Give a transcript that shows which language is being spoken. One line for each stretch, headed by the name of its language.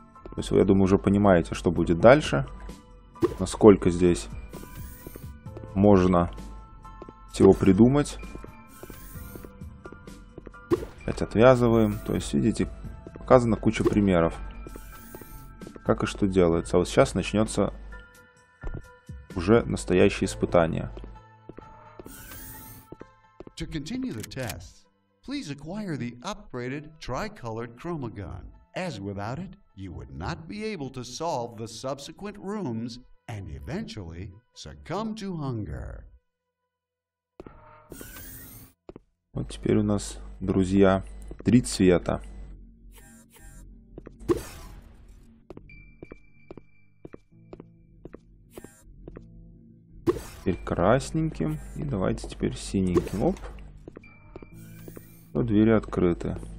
Russian: То есть вы, я думаю, уже понимаете, что будет дальше, насколько здесь можно всего придумать. опять отвязываем. То есть, видите, показана куча примеров, как и что делается. А вот сейчас начнется уже настоящее испытание.
English: To continue the test, please acquire the upgraded tri-colored chroma gun. As without it, you would not be able to solve the subsequent rooms and eventually succumb to hunger.
Russian: Вот теперь у нас, друзья, три цвета. Теперь красненьким. И давайте теперь синеньким. Оп. Двери открыты.